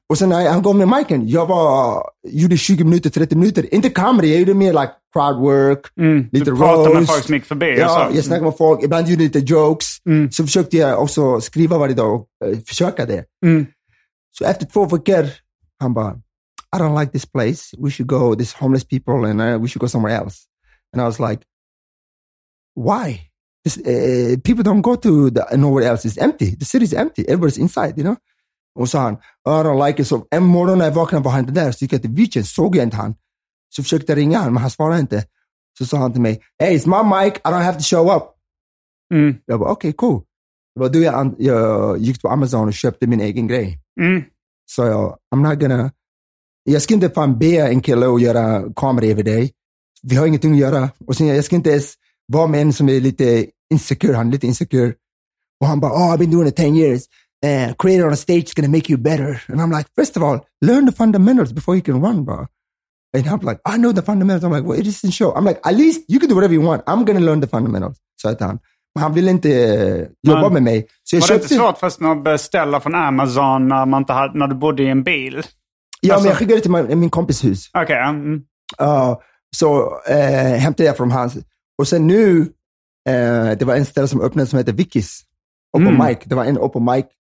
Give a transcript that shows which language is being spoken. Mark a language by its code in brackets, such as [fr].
[sv] Och sen när han gav mig micen, jag gjorde 20 minuter, 30 minuter. Inte comedy, jag gjorde mer like crowd work, lite roast. Du pratade med folk som gick förbi. Ja, jag snackade med folk. Ibland gjorde lite jokes. Så försökte jag också skriva varje dag och försöka det. Så efter 2 veckor, han bara, [en] I don't like this place. We should go, this homeless people, and we should go somewhere else. And I was like, why? People don't go to nowhere else. It's empty. The city is empty. Everybody's inside, you know? [sv] Och sa han, [en] I don't like it. [sv] Så en morgon när jag vaknade var han inte där. Så gick jag till beachen, såg jag inte han. Så försökte jag ringa han, men han svarade inte. Så sa han till mig, [en] hey, it's my mic. I don't have to show up. [sv] Jag bara, okej, cool. Jag bara, jag gick på Amazon och köpte min egen grej. Så jag, [en] I'm not gonna... [sv] Jag ska inte fan be en kille att göra kamera över dig. Vi har ingenting att göra. Och sen, jag ska inte ens vara med en som är lite insecure. Han är lite insecure. Och han bara, [en] oh, I've been doing it 10 years. Creator on a stage is gonna make you better. And I'm like, first of all, learn the fundamentals before you can run, bro. And I'm like, I know the fundamentals. I'm like, well, it isn't show. I'm like, at least you can do whatever you want. I'm gonna learn the fundamentals. [sv] Så att han. Men han vill inte jobba med mig. Så var det inte svårt för att beställa från Amazon när man inte hade, när du bodde i en bil? Ja, men jag skickade det till min kompis hus. Okej. Så hämtade jag från hans. Och sen nu, det var en ställe som öppnade som heter Vickis. Open mic. Det var en open mic.